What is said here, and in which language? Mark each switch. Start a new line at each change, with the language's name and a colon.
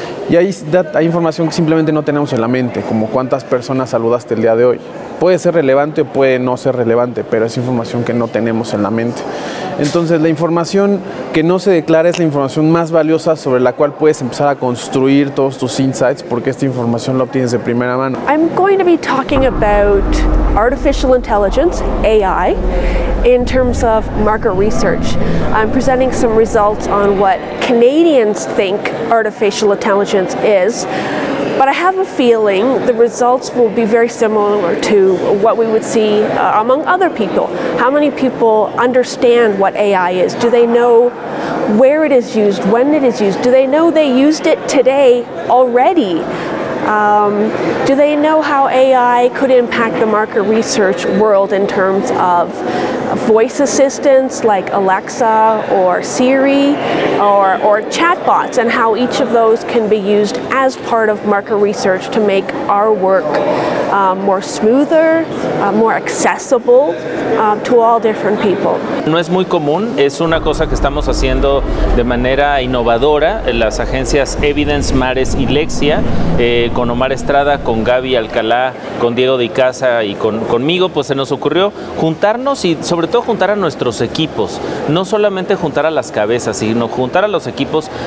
Spanish: Y ahí hay información que simplemente no tenemos en la mente, como cuántas personas saludaste el día de hoy. Puede ser relevante o puede no ser relevante, pero es información que no tenemos en la mente. Entonces, la información que no se declara es la información más valiosa sobre la cual puedes empezar a construir todos tus insights, porque esta información la obtienes de primera mano.
English: I'm going to be talking about artificial intelligence, AI, in terms of market research. I'm presenting some results on what Canadians think artificial intelligence is. But I have a feeling the results will be very similar to what we would see among other people. How many people understand what AI is? Do they know where it is used, when it is used? Do they know they used it today already? Do they know how AI could impact the market research world in terms of voice assistants like Alexa or Siri or chatbots, and how each of those can be used as part of market research to make our work more smoother, more accessible to all different people.
Spanish: No es muy común, es una cosa que estamos haciendo de manera innovadora en las agencias Evidence, Mares y Lexia, con Omar Estrada, con Gaby Alcalá, con Diego de Icaza y conmigo, pues se nos ocurrió juntarnos y sobre todo juntar a nuestros equipos, no solamente juntar a las cabezas, sino juntar a los equipos